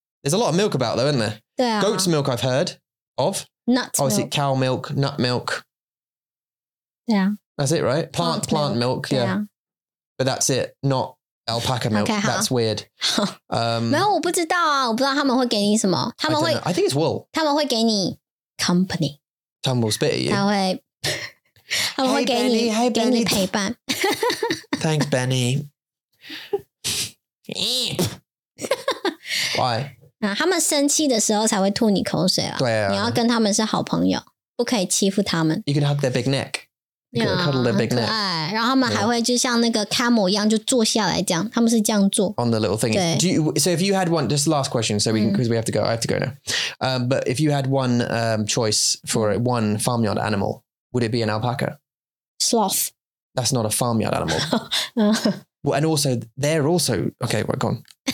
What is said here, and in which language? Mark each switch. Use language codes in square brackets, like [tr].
[en] There's a lot of milk about though, isn't there? [zh] 对啊。 [en] Goat's milk I've heard of. Nuts Oh, is it cow milk, nut milk? Yeah. That's it, right? Plant milk, yeah. But that's it, not Alpaca milk. Okay, that's weird. [zh] 没有，我不知道啊，我不知道他们会给你什么。他们会 [en] I think it's wool. [zh] 他们会给你 company. 他们会 [en] spit at you. [zh] 他会 他们会给你 [en] hey, Benny, [zh] 给你陪伴。 [en] Thanks, Benny. Why? [zh] 他们生气的时候才会吐你口水啦。对啊。你要跟他们是好朋友，不可以欺负他们。 [en] You can hug their big neck. You can cuddle their big neck. [zh] 对，然后他们还会就像那个 camel 一样就坐下来这样，他们是这样做。 [en] On the little thing. [zh] 对。 [en] So if you had one, just last question, so we can, because we have to go, I have to go now. But if you had one choice for one farmyard animal, would it be an alpaca? Sloth. That's not a farmyard animal. Well, and also, they're also, okay, well, go on.